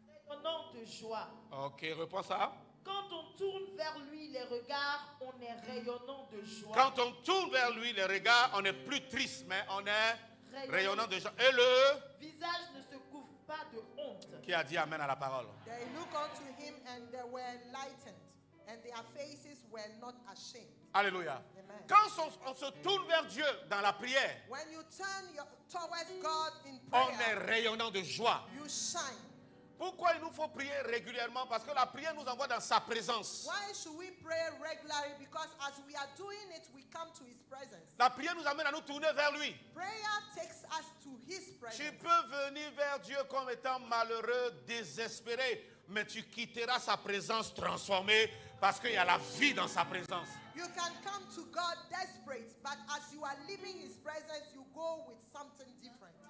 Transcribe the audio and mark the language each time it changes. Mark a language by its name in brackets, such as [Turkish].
[French] Quand on tourne vers lui, des regards, on est rayonnant de joie. Ok, reprends ça. Quand on tourne vers lui, les regards, on est rayonnant de joie. Quand on tourne vers lui, les regards, on n'est plus triste, mais on est rayonnant de joie. Et le visage ne se couvre pas de honte. Qui a dit amen à la parole? [English] They look unto him and they were enlightened, and their faces were not ashamed. Alléluia. Amen. [French] Quand on se tourne vers Dieu dans la prière, [English] when you turn towards God in prayer, [French] on est rayonnant de joie. [English] You shine. [French] Pourquoi il nous faut prier régulièrement? Parce que la prière nous envoie dans sa présence. [English] Why should we pray regularly? Because as we are doing it, we come to his presence. [French] La prière nous amène à nous tourner vers lui. [English] Prayer takes us to his presence. [French] Tu peux venir vers Dieu comme étant malheureux, désespéré, mais tu quitteras sa présence transformée parce qu'il y a la vie dans sa présence. [English] You can come to God desperate, but as you are leaving his presence, you go with something different.